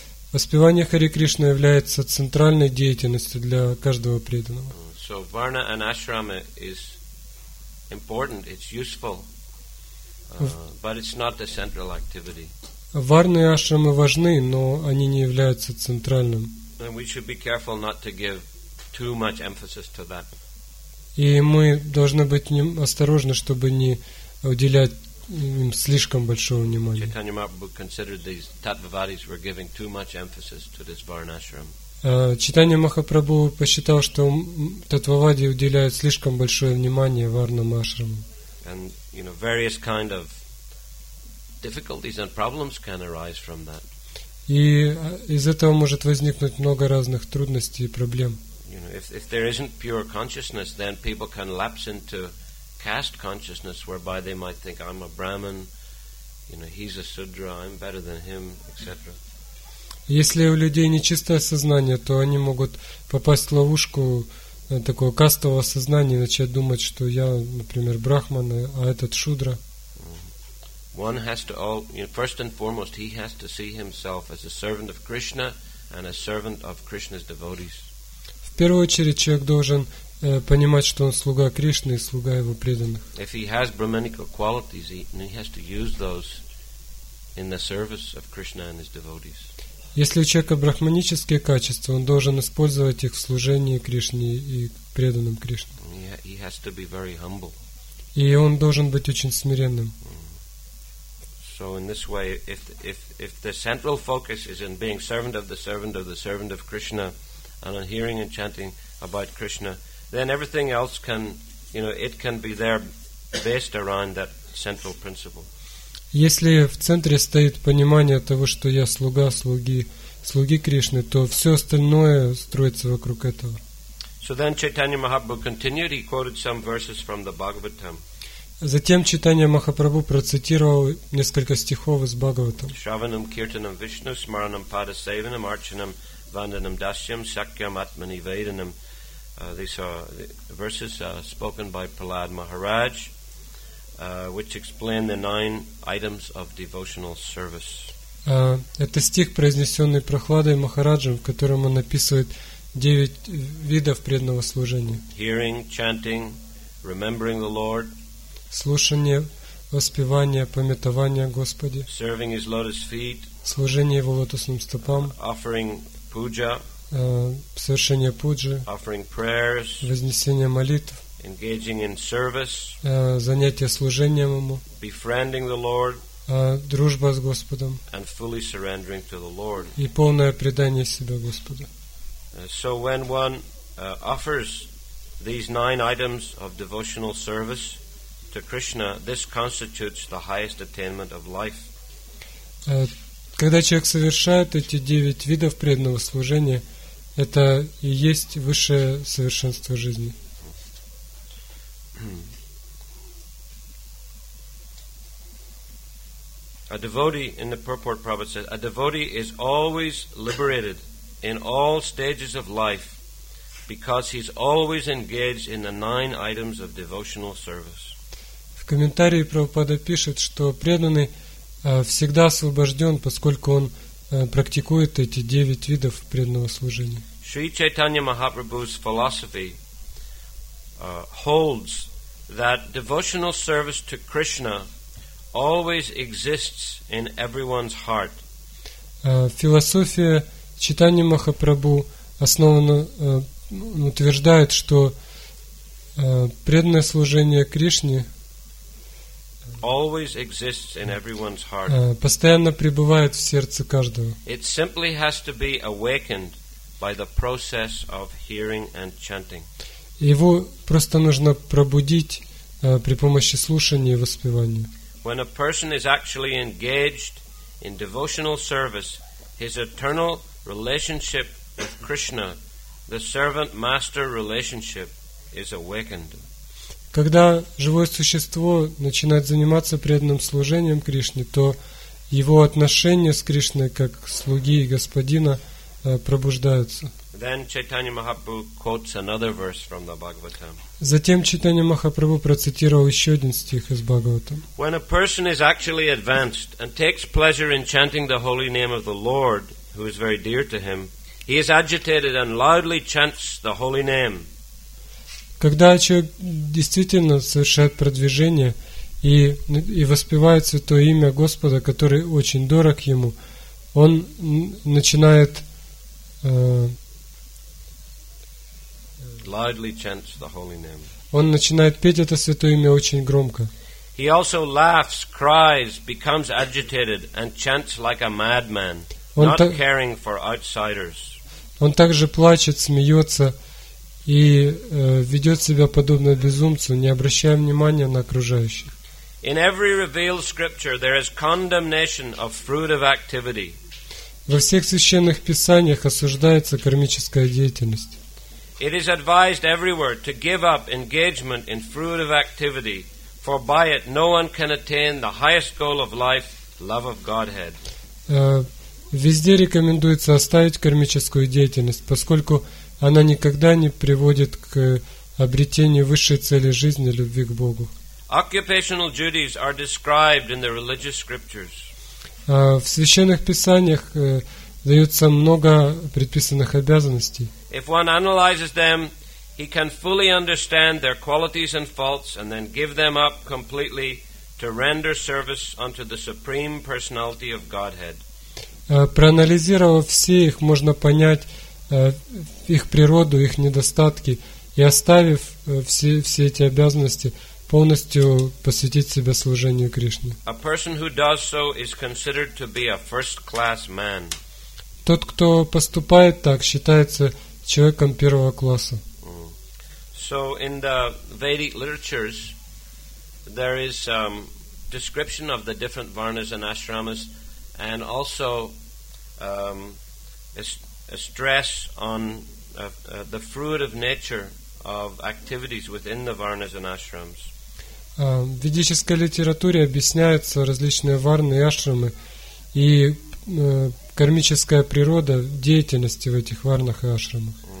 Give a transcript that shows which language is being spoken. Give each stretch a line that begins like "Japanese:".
Russian: Воспевание Хари Кришны является центральной деятельностью для каждого преданного.
English: So varna and ashrama is important, it's useful, but it's not the central activity.
Russian: Варна и ашрама важны, но они не являются центральным.
English: then we should be careful not to give too much emphasis to that.
Russian: И мы должны быть осторожны, чтобы не уделять им слишком большого внимания.
English: Chaitanya Mahaprabhu considered these tattvavadis were giving too much emphasis to this varnashram.
Russian: Chaitanya Mahaprabhu посчитал, что таттвавади уделяют слишком большое внимание варнамашраму.
English: And you know, various kind of difficulties and problems can arise from that.
Russian: И из этого может возникнуть много разных трудностей и проблем.
English: You know, if there isn't pure consciousness, then people can lapse into caste consciousness, whereby they might think, I'm a Brahmin, you know, he's a Sudra, I'm better than him, etc.
Russian: Если у людей нечистое сознание, то они могут попасть в ловушку такого кастового сознания и начать думать, что я, например, Брахман, а этот Шудра.
English: One has to all, you know, first and foremost, he has to see himself as a servant of Krishna and a servant of Krishna's devotees.
Russian: В первую очередь человек должен понимать, что он слуга Кришны и слуга его преданных.
English: If he has brahminical qualities, he has to use those in the service of Krishna and his devotees.
Russian: Если у человека брахманические качества, он должен использовать их в служении Кришне и преданным Кришне.
English: He has to be very humble.
Russian: И он должен быть очень смиренным.
English: So in this way, if the central focus is in being servant of the servant of the servant of Krishna, and on hearing and chanting about Krishna, then everything else can, you know, it can be there based around that central principle.
Russian: Если в центре стоит понимание того, что я слуга слуги слуги Кришны, то все остальное строится вокруг этого.
English: So then Chaitanya Mahaprabhu continued. He quoted some verses from the Bhagavatam.
Russian: Затем Чайтанья Махапрабху процитировал несколько стихов из Бхагаватам.
Sanskrit: Шраванам киртанам Вишну смаранам падасеванам арчанам ванданам дасьям сакьям атмани веданам.
English: These are the verses spoken by Prahlad Maharaj, which explain the nine items of devotional service.
Russian: Это стих, произнесенный Прахладой Махараджем, в котором он описывает девять видов преданного служения.
English: Hearing, chanting, remembering the Lord.
Russian: Слушание, воспевание, памятование Господи.
English: Serving his lotus feet.
Russian: Служение его лотосным стопам.
English: Offering puja.
Russian: Совершение пуджи.
English: Offering prayers.
Russian: Вознесение молитв.
English: Engaging in service.
Russian: Занятие служением ему.
English: Befriending the Lord.
Russian: Дружба с Господом.
English: And fully surrendering to the Lord.
Russian: И полное предание себя Господу.
English: So when one offers these nine items of devotional service to Krishna, this constitutes the highest attainment of life.
Russian: Когда человек совершает эти девять видов преданного служения, это и есть высшее совершенство жизни.
English: A devotee, in the purport, Prabhupada says, a devotee is always liberated in all stages of life because he's always engaged in the nine items of devotional service.
Russian: В комментарии Прабхупада пишет, что преданный всегда освобожден, поскольку он практикует эти девять видов преданного служения.
English: Шри Чайтанья Махапрабху's philosophy holds that devotional service to Krishna always exists in everyone's heart.
Russian: Философия Чайтанья Махапрабху основана, утверждает, что преданное служение Кришне
English: always exists in everyone's heart.
Russian: Постоянно пребывает в сердце каждого.
English: It simply has to be awakened by the process of hearing and chanting.
Russian: Его просто нужно пробудить при помощи слушания и воспевания.
English: When a person is actually engaged in devotional service, his eternal relationship with Krishna, the servant-master relationship, is awakened.
Russian: Когда живое существо начинает заниматься преданным служением Кришне, то его отношения с Кришной как слуги и господина пробуждаются.
English: Then Chaitanya Mahaprabhu quotes another verse from the Bhagavatam.
Russian: Затем Чайтанья Махапрабху процитировал еще один стих из Бхагаватам.
English: When a person is actually advanced and takes pleasure in chanting the holy name of the Lord, who is very dear to him, he is agitated and loudly chants the holy name.
Russian: Когда человек действительно совершает продвижение и воспевает святое имя Господа, который очень дорог ему, он начинает
English: Loudly chants the holy name.
Russian: Он начинает петь это святое имя очень громко.
English: He also laughs, cries, becomes agitated and chants like a madman, not caring for outsiders.
Russian: Он также плачет, смеется и ведет себя подобно безумцу, не обращая внимания на окружающих.
English: In every revealed scripture there is condemnation of fruit of activity.
Russian: Во всех священных писаниях осуждается кармическая деятельность.
English: It is advised everywhere to give up engagement in fruit of activity, for by it no one can attain the highest goal of life, love of Godhead.
Russian: Везде рекомендуется оставить кармическую деятельность, поскольку она никогда не приводит к обретению высшей цели жизни, любви к Богу.
English: Occupational duties are described in the religious scriptures.
Russian: В священных писаниях дается много предписанных обязанностей.
English: If one analyzes them, he can fully understand their qualities and faults and then give them up completely to render service unto the supreme personality of Godhead.
Russian: Проанализировав все их, можно понять их природу, их недостатки, и оставив все эти обязанности, полностью посвятить себя служению Кришне.
English: A person who does so is considered to be a first-class man.
Russian: Тот, кто поступает так, считается человеком первого класса.
English: So in the Vedic literatures there is description of the different varnas and ashramas and also a stress on the fruit of nature of activities within the varnas and ashrams.
Russian: В ведической литературе объясняются различные варны и ашрамы и кармическая природа деятельности в этих варнах и ашрамах.